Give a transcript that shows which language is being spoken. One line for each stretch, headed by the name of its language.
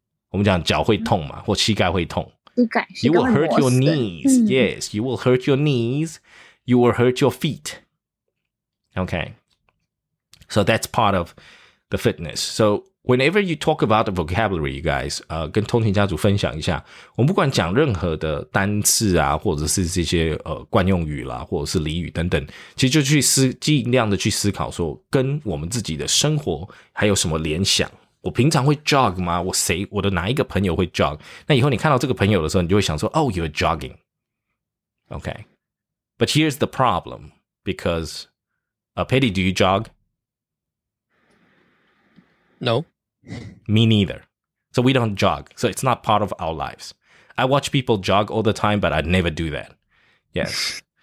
Chinese: 我们讲脚会痛嘛，或膝盖会痛。膝盖是个磨死的。
English: You will hurt your knees. Yes, you will hurt your knees. You will hurt your feet. Okay. So that's part of the fitness. So whenever you talk about the vocabulary, you guys,
Chinese: 跟通勤家族分享一下，我们不管讲任何的单字啊，或者是这些惯用语啦，或者是俚语等等，其实就去尽量的去思考说，跟我们自己的生活还有什么联想。我平常会 jog 吗？我的哪一个朋友会 jog？那以后你看到这个朋友的时候，你就会想说，
English: Oh, you're jogging. Okay, but here's the problem because, Patty, do you jog? No. Me neither. So we don't jog. So it's not part of our lives. I watch people jog all the time, but I never do that. Yes.